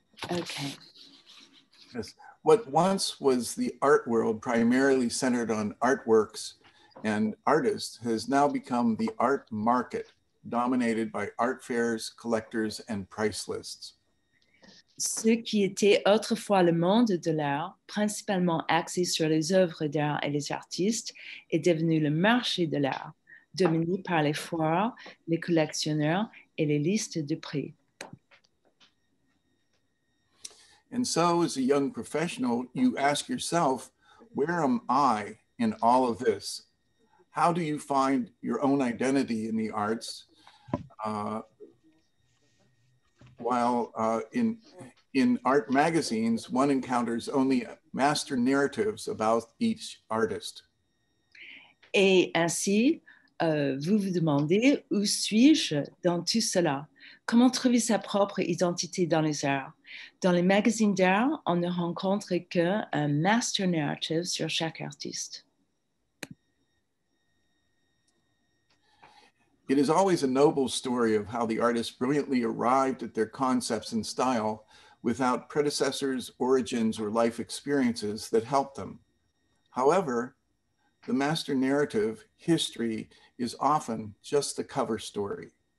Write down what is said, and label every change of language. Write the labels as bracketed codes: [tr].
[en] Okay. Yes. What once was the art world, primarily centered on artworks and artists, has now become the art market, dominated by art fairs, collectors, and price lists. [fr] Ce qui était autrefois le monde de l'art, principalement axé sur les œuvres d'art et les artistes, est devenu le marché de l'art, dominé par les foires, les collectionneurs et les listes de prix. [en] And so, as a young professional, you ask yourself, where am I in all of this? How do you find your own identity in the arts? While in art magazines, one encounters only master narratives about each artist. [fr] Et ainsi, vous vous demandez, où suis-je dans tout cela? Comment trouver sa propre identité dans les arts? Dans les magazines d'art, on ne rencontre qu'un master narrative sur chaque artiste. [en] It is always a noble story of how the artist brilliantly arrived at their concepts and style without predecessors, origins, or life experiences that helped them. However, the master narrative, history, is often just the cover story.